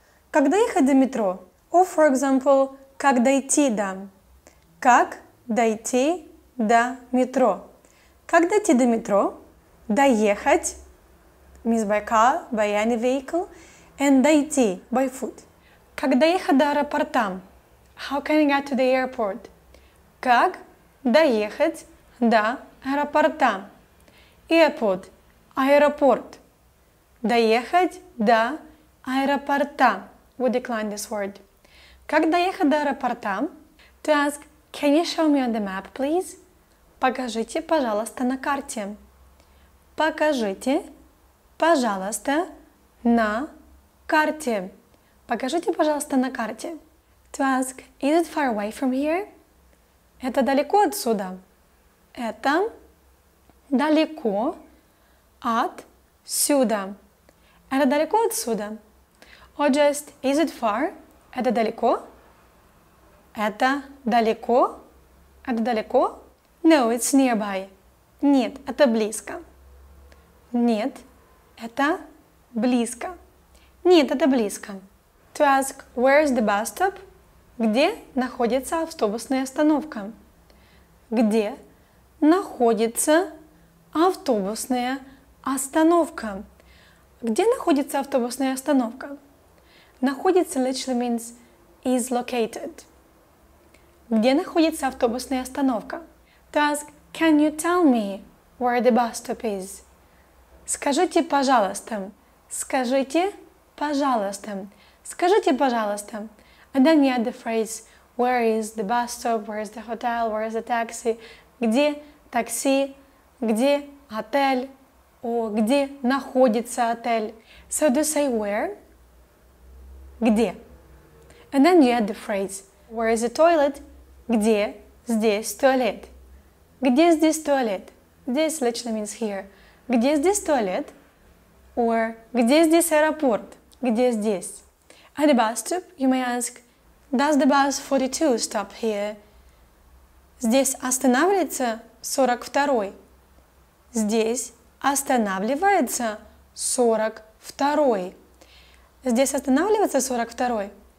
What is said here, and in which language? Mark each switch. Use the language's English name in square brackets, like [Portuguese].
[Russian] Как доехать до метро? [English] Or for example, [Russian] как дойти до? Как дойти до метро? Как дойти до метро? Доехать. [English] Means by car, by any vehicle, and дойти, by foot. [Russian] Как доехать до аэропорта? [English] How can I get to the airport? [Russian] Как доехать до аэропорта? [English] Airport, аэропорт. [Russian] Доехать до аэропорта. [English] We decline this word. [Russian] Как доехать до аэропорта? [English] To ask, can you show me on the map, please? [Russian] Покажите, пожалуйста, на карте. Покажите. Пожалуйста, на карте. Покажите, пожалуйста, на карте. [English] To ask, is it far away from here? [Russian] Это далеко отсюда. Это далеко отсюда. Это далеко отсюда. [English] Or just, is it far? [Russian] Это далеко? Это далеко? Это далеко? [English] No, it's nearby. [Russian] Нет, это близко. Нет. Это близко. Нет, это близко. [English] To ask, where is the bus stop? [Russian] Где находится автобусная остановка? Где находится автобусная остановка? Где находится автобусная остановка? [English] Находится literally means is located. [Russian] Где находится автобусная остановка? [English] To ask, can you tell me where the bus stop is? [Russian] Скажите, пожалуйста. Скажите, пожалуйста. Скажите, пожалуйста. [English] And then you add the phrase, where is the bus stop, where is the hotel, where is the taxi? [Russian] Где такси? Где отель? О, где находится отель? [English] So do say where? [Russian] Где? [English] And then you add the phrase, where is the toilet? [Russian] Где здесь туалет? Где здесь туалет? [English] This literally means here. [Russian] Где здесь туалет? Or, где здесь аэропорт? Где здесь? [English] At the bus stop, you may ask, does the bus 42 stop here? [Russian] Здесь останавливается 42-й. Здесь останавливается 42-й. Здесь останавливается 42-й.